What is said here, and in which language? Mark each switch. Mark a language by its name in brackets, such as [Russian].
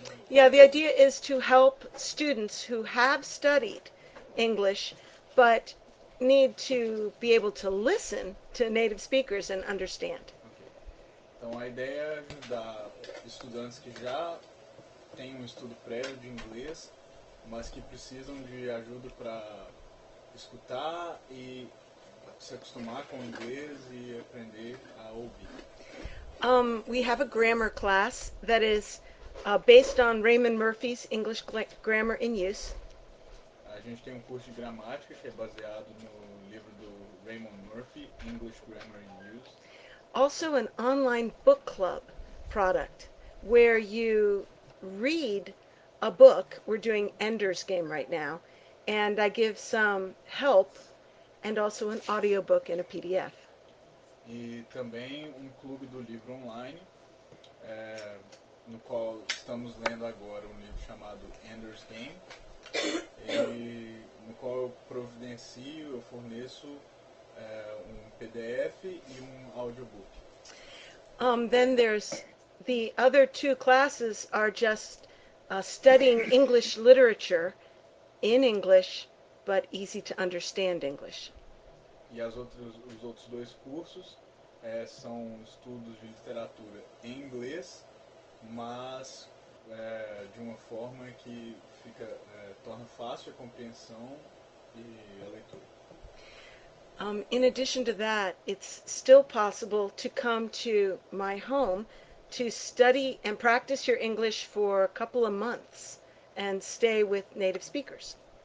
[English] Yeah, the idea is to help students who have studied English but need to be able to listen to native speakers and understand. [Portuguese] Então a ideia é ajudar estudantes que já têm um estudo prévio de inglês, mas que precisam de ajuda para escutar e se acostumar com o inglês e aprender a ouvir. [English] We have a grammar class that is based on Raymond Murphy's English Grammar in Use. [Portuguese] A gente tem um curso de gramática que é baseado no livro do Raymond Murphy, English Grammar in Use. [English] Also an online book club product where you read a book. We're doing Ender's Game right now, and I give some help and also an audiobook and a PDF. [Portuguese] E também um clube do livro online, no qual estamos lendo agora um livro chamado Ender's Game, e no qual eu providencio, eu forneço um PDF e um audiobook. [English] Then there's the other two classes are just studying English literature in English, but easy to understand English. [Portuguese] E os outros dois cursos são estudos de literatura em inglês, mas de uma forma que fica torna fácil a compreensão e a leitura. [English] In addition to that, it's still possible to come to my home to study and practice your English for a couple of months and stay with native speakers.